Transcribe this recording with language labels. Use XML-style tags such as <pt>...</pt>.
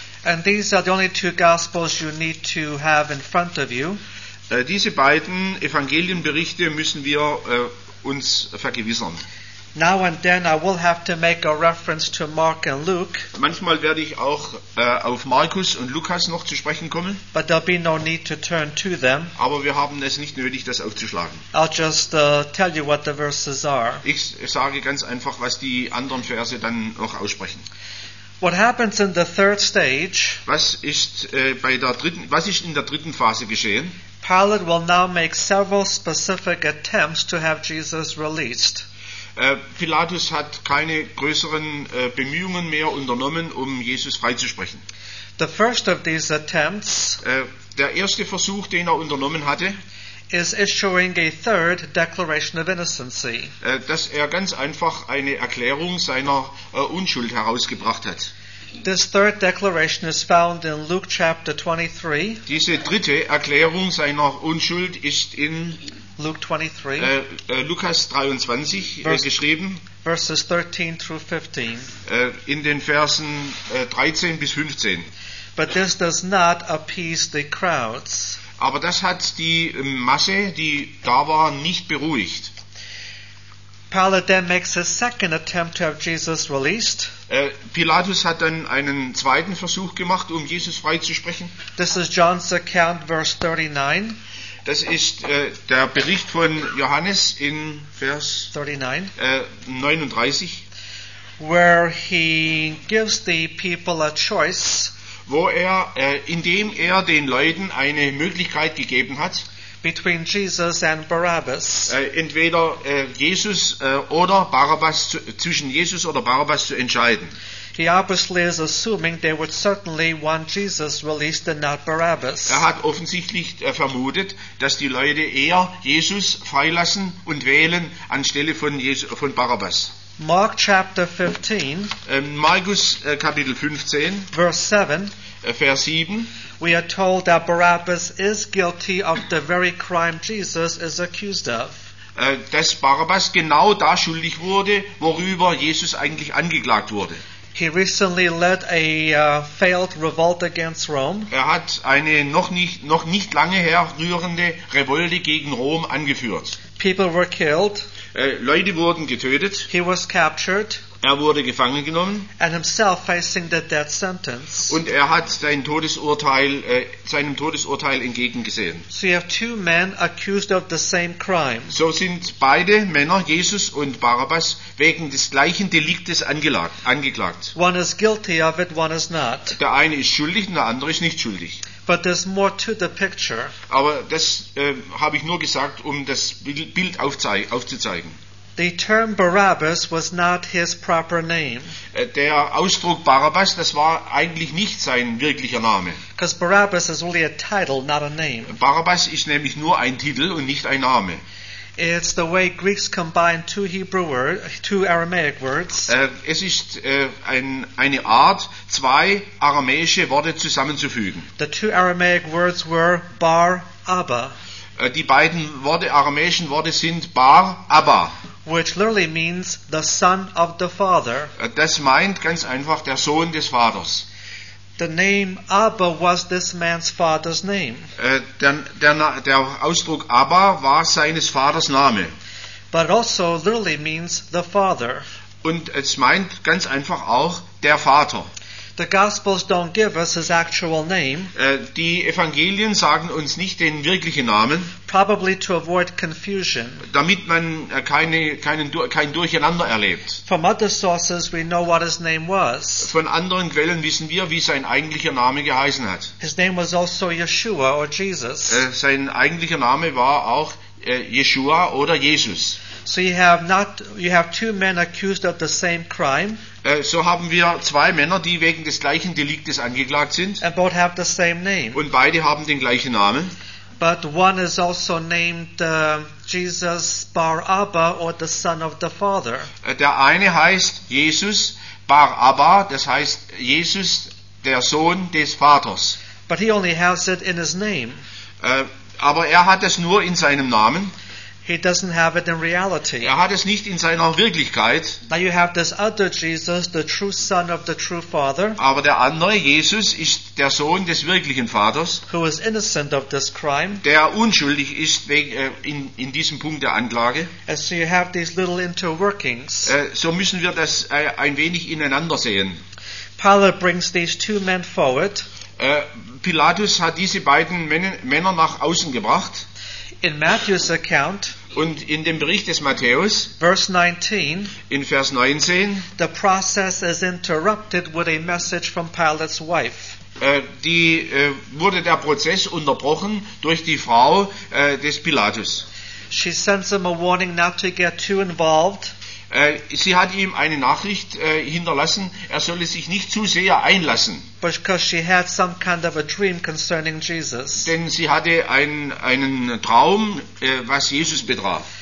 <en>And these are the only two gospels you need to have in front of you.</en> <de>Diese beiden Evangelienberichte müssen wir uns vergewissern.</de> <en>Now and then I will have to make a reference to Mark and Luke.</en> <de>Manchmal werde ich auch auf Markus und Lukas noch zu sprechen kommen.</de> <en>But there'll be no need to turn to them.</en> <de>Aber wir haben es nicht nötig, das aufzuschlagen.</de> <en>I'll just tell you what the verses are.</en> <de>Ich sage ganz einfach, was die anderen Verse dann noch aussprechen.</de> <en>What happens in the third stage?</en> <de>Was ist in der dritten Phase geschehen?</de> <en>Pilate will now make several specific attempts to have Jesus released.</en> <de>Pilatus hat keine größeren Bemühungen mehr unternommen, um Jesus freizusprechen.</de> <en>The first of these attempts,</en> <de>der erste Versuch, den er unternommen hatte,</de> <en>is issuing a third declaration of innocency.</en> <de>Dass er ganz einfach eine Erklärung seiner Unschuld herausgebracht hat.</de> <en>This third declaration is found in Luke chapter 23.</en> <de>Diese dritte Erklärung seiner Unschuld ist in</de> <en>Luke</en> <de>23, Lukas 23 geschrieben,</de> <en>verses 13 through 15,</en> <de>in den Versen 13 bis 15.</de> <en>But this does not appease the crowds.</en> <de>Aber das hat die Masse, die da war, nicht beruhigt.</de> <en>Pilate then makes a second attempt to have Jesus released.</en> <de>Pilatus hat dann einen zweiten Versuch gemacht, um Jesus freizusprechen.</de> <en>This is John's account, verse 39.</en> <de>Das ist der Bericht von Johannes in Vers 39,</de> <en>where he gives the people a choice,</en> <de>wo er, indem er den Leuten eine Möglichkeit gegeben hat,</de> <en>between Jesus and Barabbas,</en> <de>entweder Jesus oder Barabbas, zwischen Jesus oder Barabbas zu entscheiden.</de> <en>He obviously is assuming they would certainly want Jesus released and not Barabbas.</en> <de>Er hat offensichtlich vermutet, dass die Leute eher Jesus freilassen und wählen anstelle von Jesus, von Barabbas.</de> <en>Mark chapter 15.</en> <de>Markus Kapitel 15. Vers 7.</de> <en>We are told that Barabbas is guilty of the very crime Jesus is accused of.</en> <de>Dass Barabbas genau da schuldig wurde, worüber Jesus eigentlich angeklagt wurde.</de> <en>He recently led a failed revolt against Rome.</en> <de>Er hat eine noch nicht lange herrührende Revolte gegen Rom angeführt.</de> <en>People were killed.</en> <de>Leute wurden getötet.</de> <en>He was captured.</en> <de>Er wurde gefangen genommen.</de> <en>And himself facing the death sentence.</en> <de>Und er hat seinem Todesurteil entgegengesehen.</de> <en>So you have two men accused of the same crime.</en> <de>So sind beide Männer, Jesus und Barabbas, wegen des gleichen Deliktes angeklagt.</de> <en>One is guilty of it, one is not.</en> <de>Der eine ist schuldig und der andere ist nicht schuldig.</de> <en>But there's more to the picture.</en> <de>Aber das habe ich nur gesagt, um das Bild aufzuzeigen.</de> <en>The term Barabbas was not his proper name.</en> <de>Der Ausdruck Barabbas, das war eigentlich nicht sein wirklicher Name.</de> <en>Because Barabbas is only a title, not a name.</en> <de>Barabbas ist nämlich nur ein Titel und nicht ein Name.</de> <en>It's the way Greeks combine two Hebrew words, two Aramaic words.</en> <de>Es ist eine Art, zwei aramäische Worte zusammenzufügen.</de> <en>The two Aramaic words were Bar Abba.</en> <de>Die beiden Worte, aramäischen Worte sind Bar Abba.</de> <en>Which literally means the son of the father.</en> <de>Das meint ganz einfach der Sohn des Vaters.</de> <en>The name Abba was this man's father's name.</en> <de>Der Ausdruck Abba war seines Vaters Name.</de> <en>But also literally means the father.</en> <de>Und es meint ganz einfach auch der Vater.</de> <en>The Gospels don't give us his actual name.</en> <de>Die Evangelien sagen uns nicht den wirklichen Namen.</de> <en>Probably to avoid confusion.</en> <de>Damit man kein Durcheinander erlebt.</de> <en>From other sources we know what his name was.</en> <de>Von anderen Quellen wissen wir, wie sein eigentlicher Name geheißen hat.</de> <en>His name was also Yeshua or Jesus.</en> <de>Sein eigentlicher Name war auch Yeshua oder Jesus.</de> <en>So you have two men accused of the same crime.</en> <de>So haben wir zwei Männer, die wegen des gleichen Deliktes angeklagt sind.</de> <en>And both have the same name.</en> <de>Und beide haben den gleichen Namen.</de> <en>But one is also named Jesus Bar Abba or the son of the father.</en> <de>Der eine heißt Jesus Bar Abba, das heißt Jesus der Sohn des Vaters.</de> <en>But he only has it in his name.</en> <de>Aber er hat es nur in seinem Namen.</de> <en>He doesn't have it in reality.</en> <de>Er hat es nicht in seiner Wirklichkeit.</de> <en>Now you have this other Jesus, the true son of the true father.</en> <de>Aber der andere Jesus ist der Sohn des wirklichen Vaters.</de> <en>Who is innocent of this crime.</en> <de>Der unschuldig ist in diesem Punkt der Anklage.</de> <en>And so you have these little interworkings.</en> <de>So müssen wir das ein wenig ineinander sehen.</de> <en>Pilate brings these two men forward.</en> <de>Pilatus hat diese beiden Männer nach außen gebracht.</de> <en>In Matthew's account,</en> <de>und in dem Bericht des Matthäus,</de> <en>verse 19,</en> <de>in Vers 19,</de> <en>the process is interrupted with a message from Pilate's wife.</en> <de>Wurde der Prozess unterbrochen durch die Frau des Pilatus.</de> <en>She sends him a warning not to get too involved.</en> <de>Sie hat ihm eine Nachricht hinterlassen, er solle sich nicht zu sehr einlassen.</de> <en>Because she had some kind of a dream concerning Jesus.</en> <de>Denn sie hatte einen Traum, was Jesus betraf.</de>